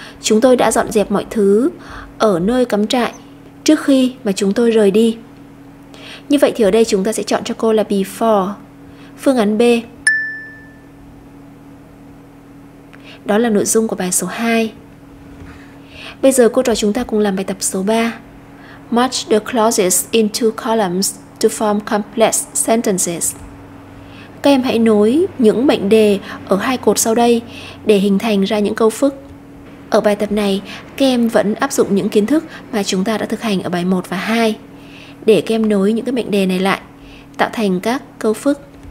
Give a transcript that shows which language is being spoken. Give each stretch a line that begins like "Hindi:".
Vietnamese: Chúng tôi đã dọn dẹp mọi thứ ở nơi cắm trại trước khi mà chúng tôi rời đi. Như vậy thì ở đây chúng ta sẽ chọn cho cô là before. Phương án B. Đó là nội dung của bài số 2. Bây giờ cô trò chúng ta cùng làm bài tập số 3.
English: Match the clauses in two columns to form complex sentences.
Vietnamese: Các em hãy nối những mệnh đề ở hai cột sau đây để hình thành ra những câu phức. Ở bài tập này, các em vẫn áp dụng những kiến thức mà chúng ta đã thực hành ở bài 1 và 2 để các em nối những cái mệnh đề này lại, tạo thành các câu phức.